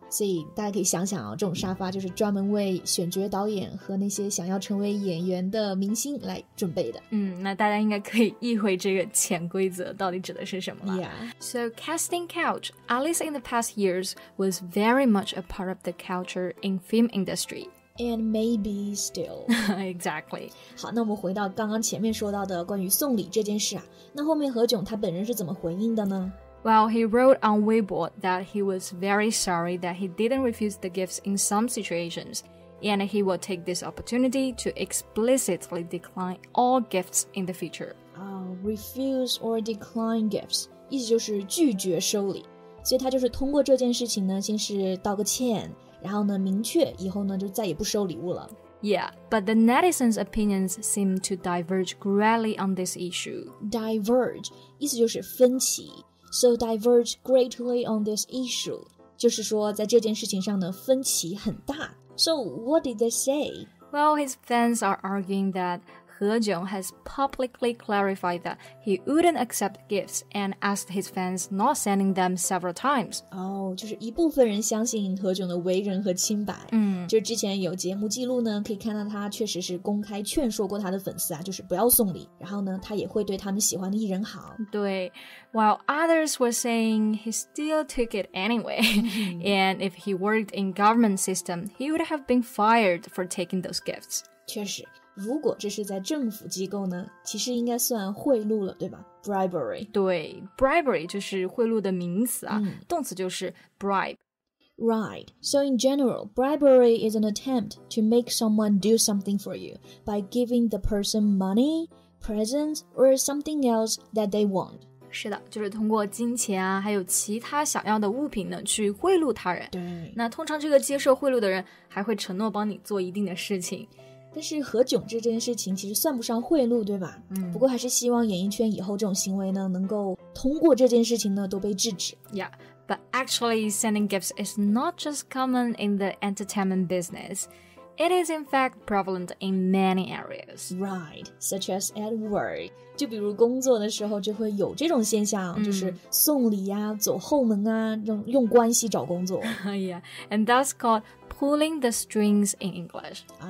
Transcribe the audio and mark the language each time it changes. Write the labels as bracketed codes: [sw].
[zh] 所以大家可以想想哦，这种沙发就是专门为选角导演和那些想要成为演员的明星来准备的。那大家应该可以意会这个潜规则到底指的是什么了。 [en] Yeah. So casting couch, at least in the past years, was very much a part of the culture in film industry. And maybe still. Exactly. [zh] 好，那我们回到刚刚前面说到的关于送礼这件事啊，那后面何炅他本人是怎么回应的呢？ [en] Well, he wrote on Weibo that he was very sorry that he didn't refuse the gifts in some situations, and he will take this opportunity to explicitly decline all gifts in the future. Refuse or decline gifts, [zh] 意思就是拒绝收礼。所以他就是通过这件事情呢，先是道个歉，然后呢，明确以后呢，就再也不收礼物了。 [en] Yeah, but the netizens' opinions seem to diverge greatly on this issue. [zh] Diverge, 意思就是分歧。 [en] So diverge greatly on this issue, [zh] 就是说在这件事情上呢，分歧很大。 [en] So what did they say? Well, his fans are arguing that何炅 has publicly clarified that he wouldn't accept gifts and asked his fans not sending them several times. [zh] 就是一部分人相信何炅的为人和清白。嗯，就之前有节目记录呢，可以看到他确实是公开劝说过他的粉丝啊，就是不要送礼。然后呢，他也会对他们喜欢的艺人好。对 [en] ，while others were saying he still took it anyway, and if he worked in government system, he would have been fired for taking those gifts. [zh] 确实。如果这是在政府机构呢，其实应该算贿赂了，对吧 ？Bribery，对 ，bribery 就是贿赂的名词啊，动词就是 bribe。 [en] Right. So in general, bribery is an attempt to make someone do something for you by giving the person money, presents, or something else that they want. [zh] 是的，就是通过金钱啊，还有其他想要的物品呢，去贿赂他人。对。那通常这个接受贿赂的人还会承诺帮你做一定的事情。但是何炅这件事情其实算不上贿赂，对吧？嗯，不过还是希望演艺圈以后这种行为呢，能够通过这件事情呢都被制止。 [en] Yeah, but actually sending gifts is not just common in the entertainment business. It is in fact prevalent in many areas. Right, such as at work. [zh] 就比如工作的时候就会有这种现象，就是送礼呀、走后门啊，用关系找工作。 [en] Yeah, and that's called pulling the strings in English.